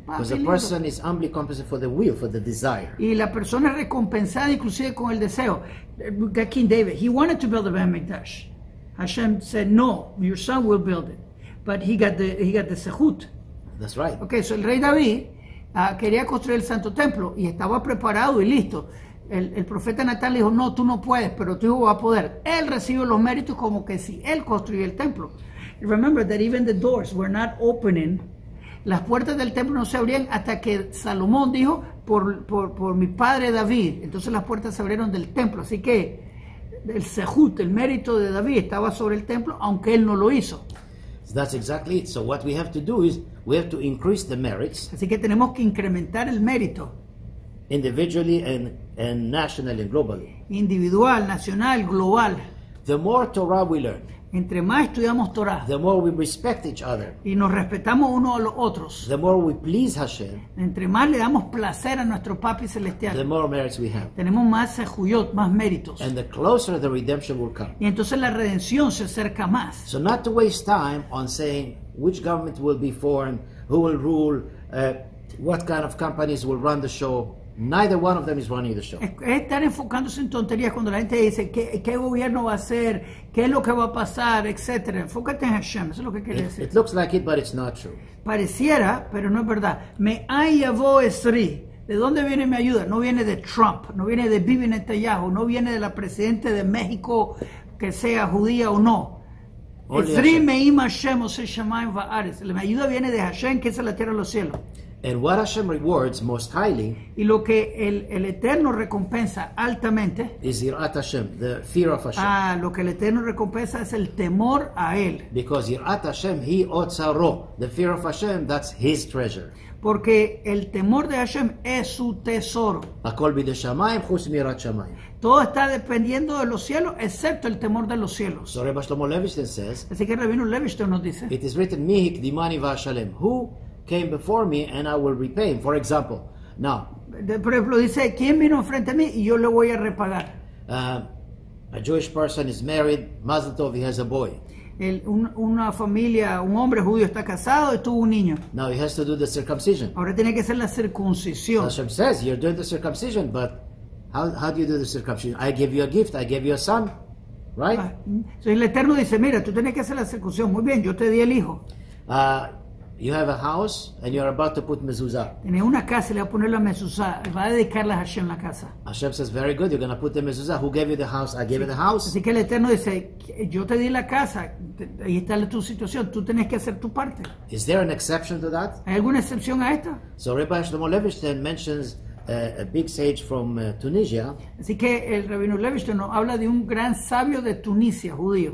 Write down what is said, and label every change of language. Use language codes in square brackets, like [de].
[en] Because the person is humbly compensated for the will, for the desire. [es] Y la persona es recompensada inclusive con el deseo. [en] King David, he wanted to build the Beit Hamikdash. Hashem said, no, your son will build it. But he got the sehut. That's right. Okay, so [es] el rey David quería construir el santo templo y estaba preparado y listo. El profeta Natán le dijo, no, tú no puedes, pero tu hijo va a poder. Él recibe los méritos como que si él construyó el templo. [en] Remember that even the doors were not opening. [es] Las puertas del templo no se abrían hasta que Salomón dijo, por mi padre David. Entonces las puertas se abrieron del templo. Así que el sehut, el mérito de David estaba sobre el templo, aunque él no lo hizo. [en] So that's exactly it. So what we have to do is, we have to increase the merits. [es] Así que tenemos que incrementar el mérito. [en] Individually and nationally and globally. [es] Individual, nacional, global. [en] The more Torah we learn. [es] Entre más estudiamos Torah. [en] The more we respect each other. [es] Y nos respetamos uno a los otros. [en] The more we please Hashem. [es] Entre más le damos placer a nuestro Papi Celestial. [en] The more merits we have. [es] Tenemos más sehuyot, más méritos. [en] And the closer the redemption will come. [es] Y entonces la redención se acerca más. [en] So not to waste time on saying which government will be formed, who will rule, what kind of companies will run the show. Neither one of them is running the show. [es] Están enfocándose en tonterías cuando la gente dice qué gobierno va a ser, qué es lo que va a pasar, etcétera. Enfócate en Hashem, eso es lo que quiere decir. [en] It looks like it, but it's not true. [es] Pareciera, pero no es verdad. [he] Me ayavo esri. [es] ¿De dónde viene mi ayuda? No viene de Trump, no viene de Bibi Netanyahu, no viene de la presidenta de México, que sea judía o no. [he] Esri meim Hashem osei shamayim va'aretz. [es] La ayuda viene de Hashem, que es la tierra y los cielos. [en] And what Hashem rewards most highly, [es] y lo que el Eterno recompensa altamente, [en] is Yirat Hashem, the fear of Hashem. [es] Ah, lo que el Eterno recompensa es el temor a él. [en] Because Yirat Hashem, [he] he otzaro, [en] the fear of Hashem, that's his treasure. [es] Porque el temor de Hashem es su tesoro. [he] Hakol bide shamayim chus mirat shamayim. [es] Todo está dependiendo de los cielos, excepto el temor de los cielos. [en] So Rebbe Shlomo Levinstein says, [es] así que Rabino Levinstein nos dice, [en] it is written, [he] mi hikdimani vashalem, [en] who came before me and I will repay him. For example, now. [es] Por ejemplo, dice, ¿quién vino frente a mí y yo le voy a repagar? [en] A Jewish person is married, Mazel Tov, he has a boy. [es] Una familia, un hombre judío está casado y tuvo un niño. [en] Now he has to do the circumcision. [es] Ahora tiene que hacer la circuncisión. [en] Hashem says, you're doing the circumcision, but how do you do the circumcision? I give you a gift, I give you a son, right? [es] So el Eterno dice, mira, tú tienes que hacer la circuncisión. Muy bien, yo te di el hijo. [en] You have a house and you are about to put mezuzah. [es] Tiene una casa, le va a poner la mezuzah, va a dedicarla a Hashem la casa. [en] Hashem says, very good, you're going to put the mezuzah. Who gave you the house? I gave you the house. [es] Así que el Eterno dice, yo te di la casa, ahí está tu situación, tú tienes que hacer tu parte. [en] Is there an exception to that? [es] ¿Hay alguna excepción a esta? [en] So Rabbi Shlomo Levinstein mentions a big sage from Tunisia. [es] Así que el Rabino Levinstein habla de un gran sabio de Tunisia, judío.